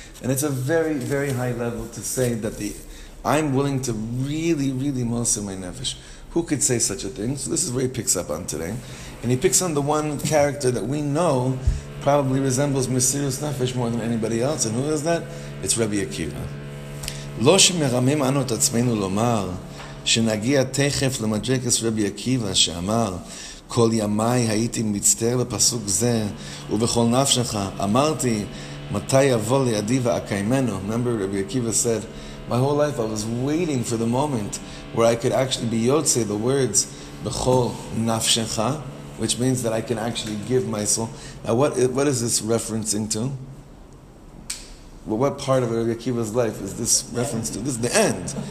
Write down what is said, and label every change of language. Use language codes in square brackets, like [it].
[en] And it's a very, very high level to say that I'm willing to really, really Mosir my Nefesh. Who could say such a thing? So this is where he picks up on today. And he picks on the one character that we know probably resembles Mesiras Nefesh more than anybody else. And who is that? It's Rabbi Akiva. [he] Lo shemeramim anu tatzmenu lomar שנגיע תכף למדרגת רבי עקיבא שאמר כל ימי הייתי מצטער בפסוק זה ובכל נפשך אמרתי מתי יבוא לידי ואקיימנו. [en] Remember Rabbi Akiva said, my whole life I was waiting for the moment where I could actually be yotze the words [he] בכל נפשך, [en] which means that I can actually give my soul. Now what is this referencing to? Well, what part of Rabbi Akiva's life is this reference to? This is the end.